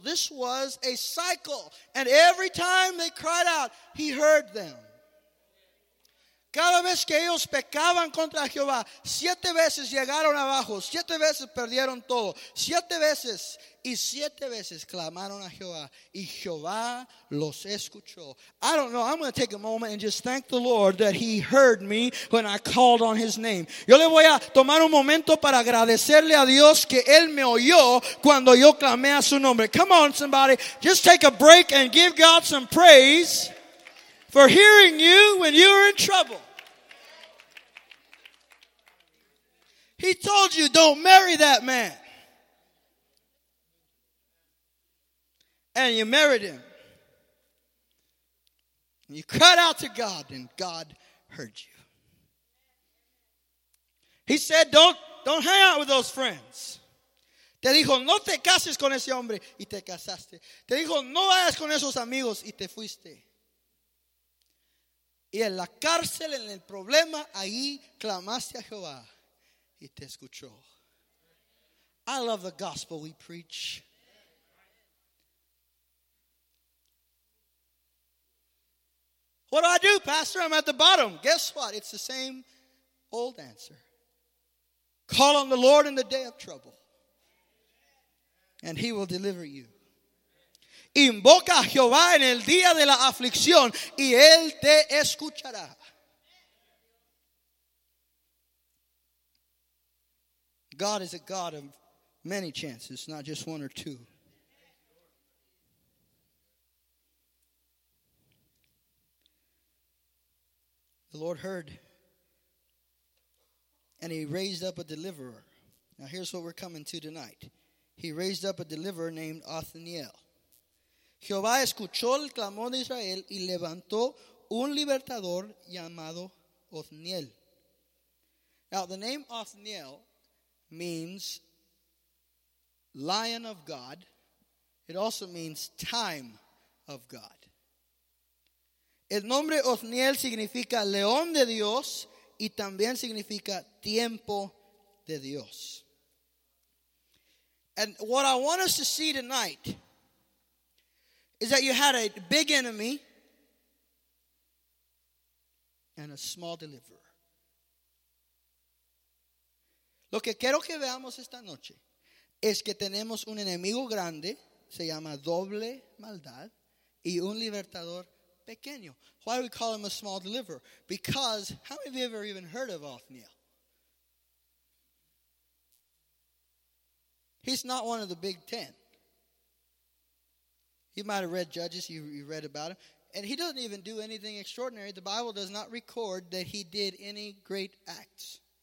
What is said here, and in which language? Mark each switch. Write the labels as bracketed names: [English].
[English] This was a cycle. And every time they cried out, he heard them. [Spanish] Cada vez que ellos pecaban contra Jehová, 7 veces llegaron abajo, 7 veces perdieron todo, 7 veces y 7 veces clamaron a Jehová y Jehová los escuchó. [English] I don't know, I'm going to take a moment and just thank the Lord that he heard me when I called on his name. [Spanish] Yo le voy a tomar un momento para agradecerle a Dios que él me oyó cuando yo clamé a su nombre. [English] Come on, somebody, just take a break and give God some praise for hearing you when you were in trouble. He told you, don't marry that man. And you married him. And you cried out to God, and God heard you. He said, don't hang out with those friends. [Spanish] Te dijo, no te cases con ese hombre, y te casaste. Te dijo, no vayas con esos amigos, y te fuiste. Y en la cárcel, en el problema, ahí clamaste a Jehová y te escuchó. [English] I love the gospel we preach. What do I do, Pastor? I'm at the bottom. Guess what? It's the same old answer. Call on the Lord in the day of trouble, and he will deliver you. [Spanish] Invoca a Jehová en el día de la aflicción y él te escuchará. [English] God is a God of many chances, not just one or two. The Lord heard and he raised up a deliverer. Now here's what we're coming to tonight. He raised up a deliverer named Othniel. [Spanish] Jehová escuchó el clamor de Israel y levantó un libertador llamado Othniel. [English] Now, the name Othniel means lion of God. It also means time of God. [Spanish] El nombre Othniel significa león de Dios y también significa tiempo de Dios. [English] And what I want us to see tonight is that you had a big enemy and a small deliverer. [Spanish] Lo que quiero que veamos esta noche es que tenemos un enemigo grande, se llama doble maldad, y un libertador pequeño. [English] Why do we call him a small deliverer? Because how many of you ever even heard of Othniel? He's not one of the big ten. You might have read Judges, you read about him. And he doesn't even do anything extraordinary. The Bible does not record that he did any great acts.